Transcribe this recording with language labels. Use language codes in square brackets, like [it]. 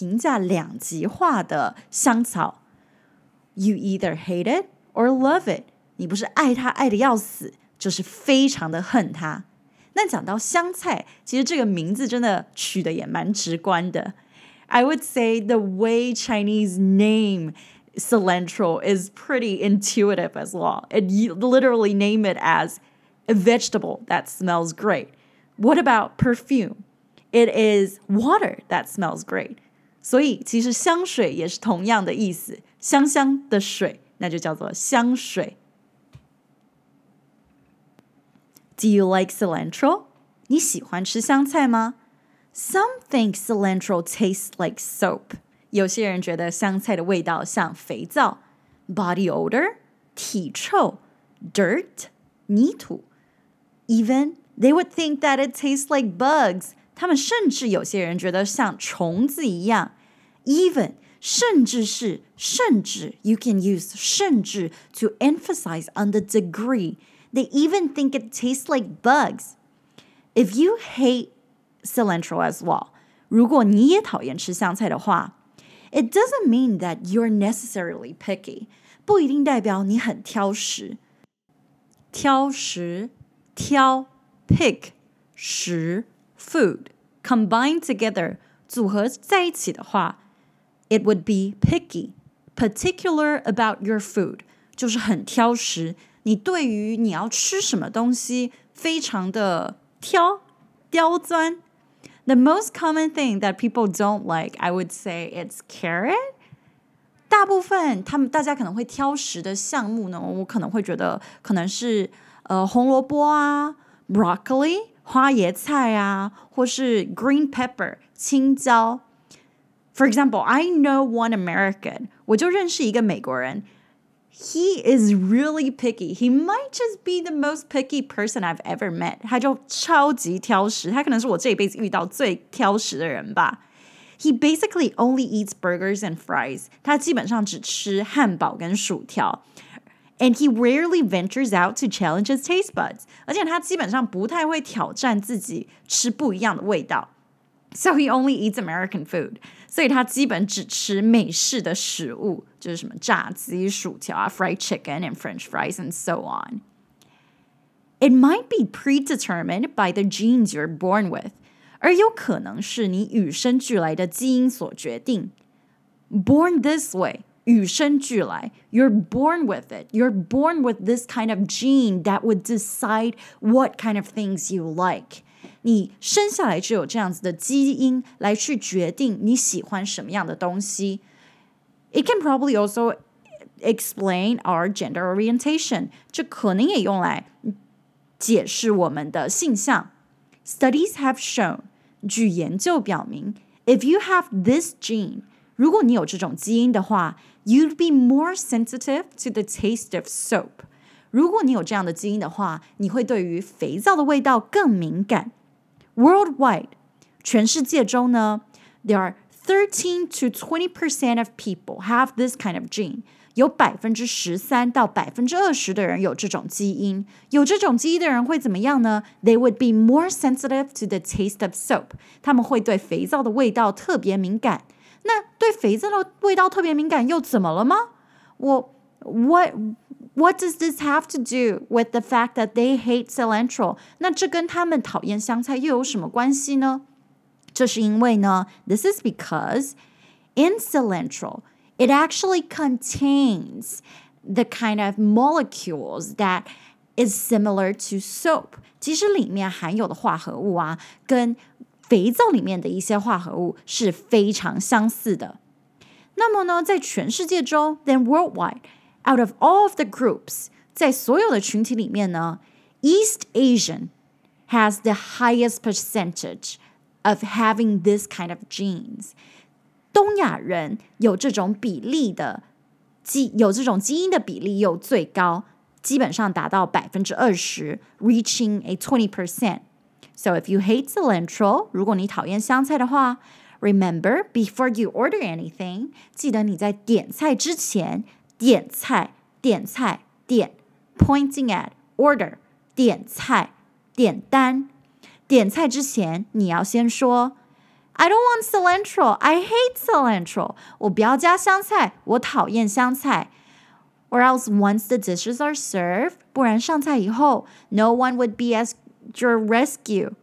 [zh] 可能没有比香菜还要这么评价两极化的香草。 [en] You either hate it or love it. [zh] 你不是爱它爱得要死,就是非常的恨它。那讲到香菜,其实这个名字真的取得也蛮直观的。 [en] I would say the way Chinese name cilantro is pretty intuitive as well. It, you literally name it as a vegetable that smells great. What about perfume? It is water that smells great. [zh] 所以其实香水也是同样的意思。香香的水,那就叫做香水。 [en] Do you like cilantro? [zh] 你喜欢吃香菜吗? [en] Some think cilantro tastes like soap. [zh] 有些人觉得香菜的味道像肥皂, [en] body odor, [zh] 体臭, dirt, 泥土. [en] Even they would think that it tastes like bugs. [zh] 他们甚至有些人觉得像虫子一样. [en] Even, [zh] 甚至是, 甚至, [en] you can use 甚至 to emphasize on the degree. They even think it tastes like bugs. If you hate cilantro as well, [zh] 如果你也讨厌吃香菜的话, [en] it doesn't mean that you're necessarily picky. [zh] 不一定代表你很挑食。挑食, 挑, pick, 食, food, combined together, 组合在一起的话, [en] It would be picky, particular about your food. [zh] 就是很挑食，你对于你要吃什么东西非常的挑，刁钻。 [en] The most common thing that people don't like, I would say it's carrot. [zh] 大部分他们大家可能会挑食的项目呢，我可能会觉得可能是红萝卜啊 ，broccoli 花椰菜啊，或是 green pepper 青椒。 [en] For example, I know one American. [zh] 我就认识一个美国人。 [en] He is really picky. He might just be the most picky person I've ever met. [zh] 他就超级挑食，他可能是我这一辈子遇到最挑食的人吧。 [en] He basically only eats burgers and fries. [zh] 他基本上只吃汉堡跟薯条。 [en] And he rarely ventures out to challenge his taste buds. [zh] 而且他基本上不太会挑战自己吃不一样的味道。 [en] So he only eats American food. [zh] 所以他基本只吃美式的食物，就是什么炸鸡、薯条啊 [en] fried chicken and french fries and so on. It might be predetermined by the genes you're born with. [zh] 而有可能是你与生俱来的基因所决定。 [en] Born this way, 与生俱来 you're born with it. You're born with this kind of gene that would decide what kind of things you like. [zh] 你生下来就有这样子的基因来去决定你喜欢什么样的东西。 [en] It can probably also explain our gender orientation. [zh] 这可能也用来解释我们的性向。 [en] Studies have shown, [zh] 据研究表明 [en] if you have this gene, [zh] 如果你有这种基因的话 [en] you'd be more sensitive to the taste of soap. [zh] 如果你有这样的基因的话你会对于肥皂的味道更敏感。 [en] Worldwide, [zh] 全世界中呢 [en] there are 13 to 20% of people have this kind of gene. [zh] 有 13% 到 20% 的人有这种基因。有这种基因的人会怎么样呢? [en] They would be more sensitive to the taste of soap. [zh] 他们会对肥皂的味道特别敏感。那对肥皂的味道特别敏感又怎么了吗? [en] What does this have to do with the fact that they hate cilantro? [zh] 那这跟他们讨厌香菜又有什么关系呢? 这是因为呢, [en] this is because in cilantro,It actually contains the kind of molecules that is similar to soap. [zh] 其实里面含有的化合物啊，跟肥皂里面的一些化合物是非常相似的。那么呢，在全世界中 [en] ，then worldwide, out of all of the groups, [zh] 在所有的群体里面呢 [en] ，East Asian has the highest percentage of having this kind of genes. [zh] 东亚人有这种比例的有这种基因的比例又最高，基本上达到 20%， [en] reaching a 20%. So if you hate cilantro, [zh] 如果你讨厌香菜的话， [en] remember, before you order anything, [zh] 记得你在点菜之前， [en] 点菜, pointing at, order, [zh] 点菜，点单。点菜之前，你要先说 [en] I don't want cilantro. I hate cilantro. [zh] 我不要加香菜，我讨厌香菜。 [en] Or else once the dishes are served, [zh] 不然上菜以后 [en] no one would be at your rescue.